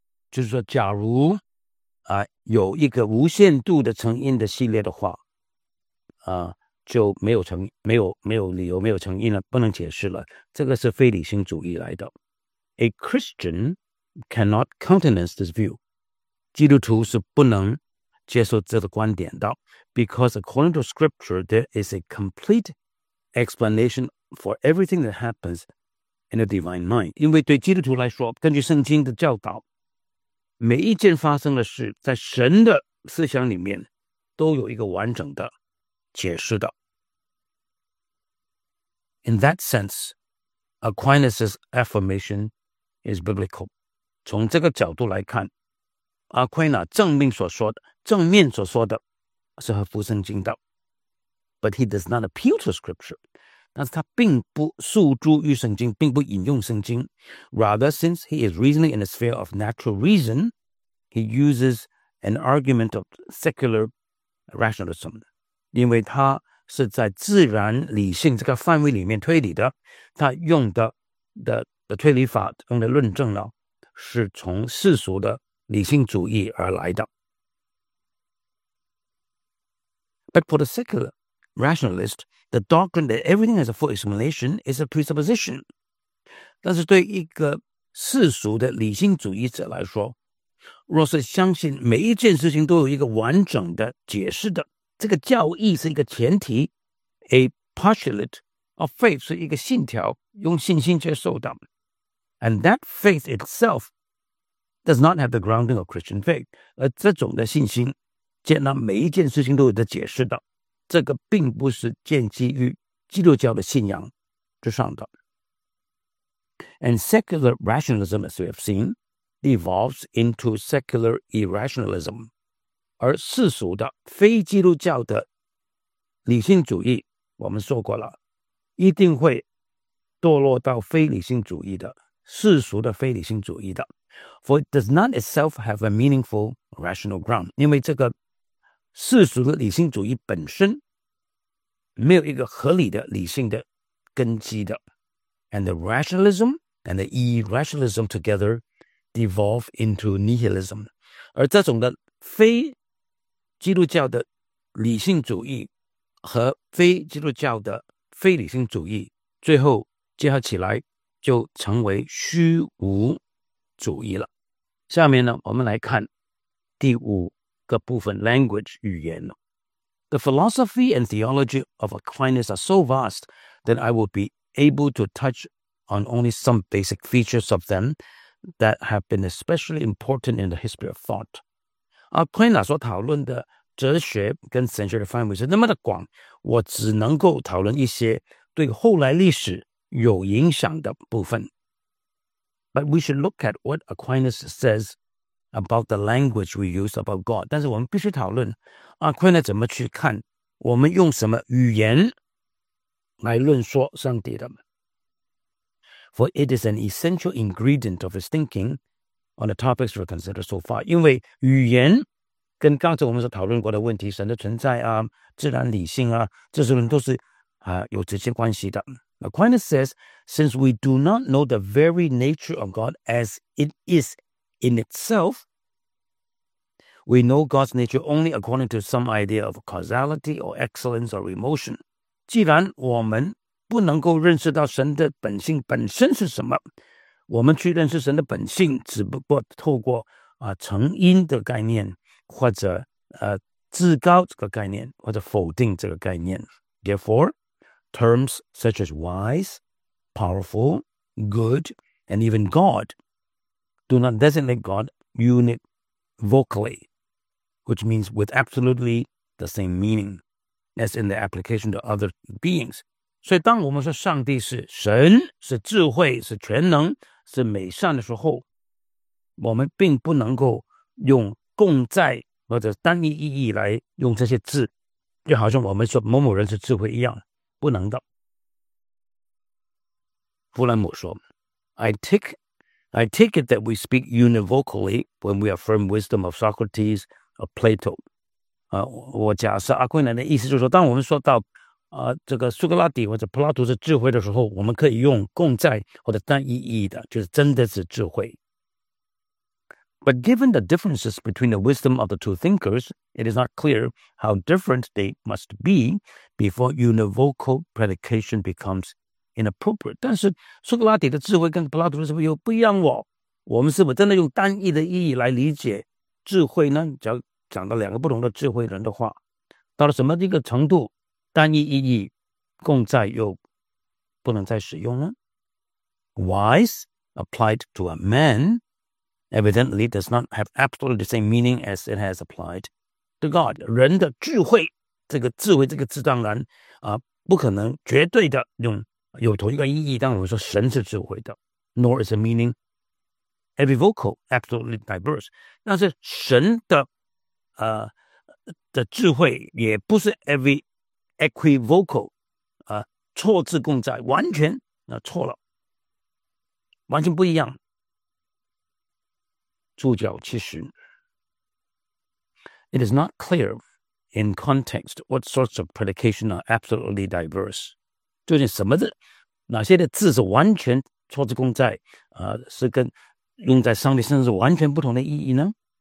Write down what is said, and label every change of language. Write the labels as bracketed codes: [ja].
[zh] 就是说假如有一个无限度的成因的系列的话就没有理由，没有成因了，不能解释了，这个是非理性主义来的。 [en] A Christian cannot countenance this view. [zh] 基督徒是不能接受这个观点的， [en] because according to scripture, there is a completeexplanation for everything that happens in the divine mind. [zh] 因为对基督徒来说，根据圣经的教导，每一件发生的事在神的思想里面都有一个完整的解释的。 [en] In that sense, Aquinas' affirmation is biblical. [zh] 从这个角度来看，阿奎那正面所说的是合乎圣经的。 [en] But he does not appeal to scripture. [zh] 但是他并不诉诸于圣经，并不引用圣经。 [en] Rather, since he is reasoning in the sphere of natural reason, he uses an argument of secular rationalism. [zh] 因为他是在自然理性这个范围里面推理的，他用 的推理法，用的论证呢，是从世俗的理性主义而来的。 [en] But for the secularrationalist, the doctrine that everything has a full explanation is a presupposition. [zh] 但是对一个世俗的理性主义者来说，若是相信每一件事情都有一个完整的解释的，这个教义是一个前提， [en] a postulate of faith [zh] 是一个信条，用信心接受的。 [en] And that faith itself does not have the grounding of Christian faith. [zh] 而这种的信心接纳每一件事情都有的解释的，这个并不是建基于基督教的信仰之上的。 [en] And secular rationalism, as we have seen, devolves into secular irrationalism. [zh] 而世俗的非基督教的理性主义，我们说过了，一定会堕落到非理性主义的，世俗的非理性主义的。 [en] For it does not itself have a meaningful rational ground. [zh] 因为这个世俗的理性主义本身没有一个合理的理性的根基的。 [en] And the rationalism and the irrationalism together devolve into nihilism. [zh] 而这种的非基督教的理性主义和非基督教的非理性主义最后结合起来就成为虚无主义了。下面呢，我们来看第五个部分 language 语言。 [en] The philosophy and theology of Aquinas are so vast that I will be able to touch on only some basic features of them that have been especially important in the history of thought. [zh] Aquinas 所讨论的哲学跟神学的范围是那么的广，我只能够讨论一些对后来历史有影响的部分。 [en] But we should look at what Aquinas says about the language we use about God. [zh] 但是我们必须讨论 Aquinas 怎么去看我们用什么语言来论说上帝的。 [en] For it is an essential ingredient of his thinking on the topics we've considered so far. [zh] 因为语言跟刚才我们所讨论过的问题，神的存在啊，自然理性啊，这些都是有直接关系的。 [en] Aquinas says, since we do not know the very nature of God as it is in itself, we know God's nature only according to some idea of causality or excellence or emotion. [zh] 既然我们不能够认识到神的本性本身是什么，我们去认识神的本性只不过透过成因的概念，或者至高这个概念，或者否定这个概念。 [en] Therefore, terms such as wise, powerful, good, and even God do not designate God univocally, which means with absolutely the same meaning as in the application to other beings. [zh] 所以当我们说上帝是神，是智慧，是全能，是美善的时候，我们并不能够用共在或者单一意义来用这些字，就好像我们说某某人是智慧一样，不能的。弗兰姆说， [en] I take it that we speak univocally when we affirm wisdom of Socrates or Plato. [zh] 我假设阿奎奶的意思就是说，当我们说到这个苏格拉底或者普拉图是智慧的时候，我们可以用共在或者单一意义的，就是真的是智慧。 [en] But given the differences between the wisdom of the two thinkers, it is not clear how different they must be before univocal predication becomes inappropriate. [zh] 但是苏格拉底的智慧跟普拉图是不是又不一样哦？我们是不是真的用单一的意义来理解智慧呢？只要讲到两个不同的智慧人的话，到了什么一个程度，单一意义共在又不能再使用呢？ [en] Wise applied to a man evidently does not have absolutely the same meaning as it has applied to God. [zh] 人的智慧，这个智慧这个字当然不可能绝对的用有同一个意义，当我们说神是智慧的， [en] nor is the meaning univocal, absolutely diverse. [zh] 但是神的智慧也不是 equivocal, 错字共在，完全错了，完全不一样。注脚七十。 [en] It is not clear in context what sorts of predication are absolutely diverse. [zh] 究竟什么的哪些的字是完全错字共在，是跟用在上帝身上是完全不同的意义呢？